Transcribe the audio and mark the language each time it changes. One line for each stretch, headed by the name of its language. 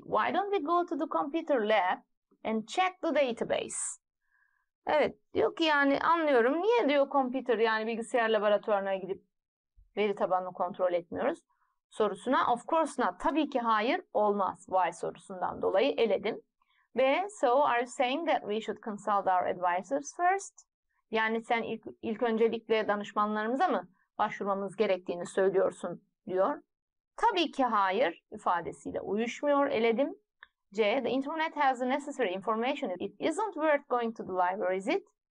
English: Why don't we go to the computer lab and check the database?
Turkish: Evet, diyor ki yani anlıyorum. Niye diyor computer yani bilgisayar laboratuvarına gidip veri tabanını kontrol etmiyoruz? Sorusuna
English: of course not.
Turkish: Tabii ki hayır olmaz. Why sorusundan dolayı eledim. B.
English: So are you saying that we should consult our advisors first?
Turkish: Yani sen ilk öncelikle danışmanlarımıza mı başvurmamız gerektiğini söylüyorsun diyor. Tabii ki hayır ifadesiyle uyuşmuyor, eledim.
English: C. The internet has the necessary information. It isn't worth going to the library, is it?